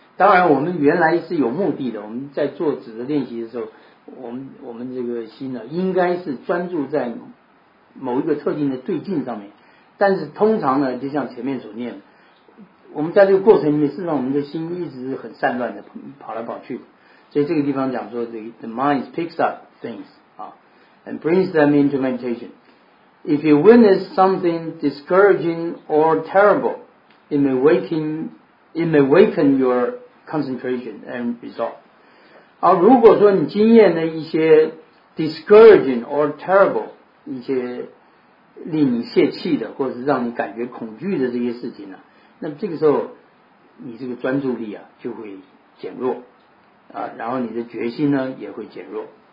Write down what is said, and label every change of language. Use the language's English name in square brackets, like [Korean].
[Chinese] 当然我们原来是有目的的，我们在做指的练习的时候，我们这个心呢应该是专注在某一个特定的对境上面。但是通常呢，就像前面所念的，我们在这个过程里面，事实上我们的心一直很散乱的跑来跑去的。所以这个地方讲说 [English] the mind picks up things, and brings them into meditation. If you witness something discouraging or terrible, it may waken your concentration and resolve. [Chinese] 如果说你经验了一些 [English] discouraging or terrible, [Chinese] 一些令你泄气的或者是让你感觉恐惧的这些事情呢、那这个时候你这个专注力啊就会减弱然后你的决心呢也会减弱